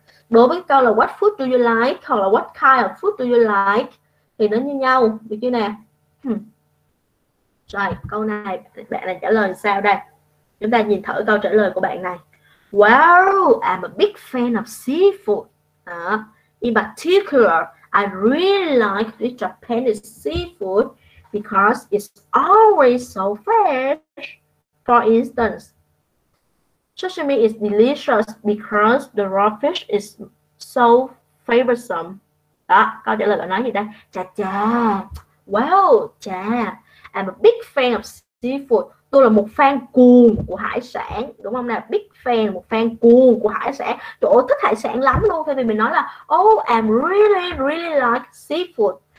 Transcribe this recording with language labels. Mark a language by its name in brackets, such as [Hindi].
[Vietnamese] Đối với câu là [English] what food do you like [Vietnamese] hoặc là [English] what kind of food do you like [Vietnamese] thì nó như nhau, được chưa nè? Rồi, câu này bạn này trả lời sao đây? Chúng ta nhìn thử câu trả lời của bạn này. [English] Wow, I'm a big fan of seafood. In particular, I really like the Japanese seafood because it's always so fresh. For instance, sashimi is delicious because the raw fish is so flavorsome. [Vietnamese] Đó, câu trả lời bạn nói gì đây? Chà chà. Wow, chà. [English] I'm a big fan of seafood. [Vietnamese] Tôi là một fan cuồng của hải sản, đúng không nào? [English] Big fan, [Vietnamese] một fan cuồng của hải sản. Trời ơi, thích hải sản lắm luôn. Thế vì mình nói là [English] oh, I'm really, really like seafood.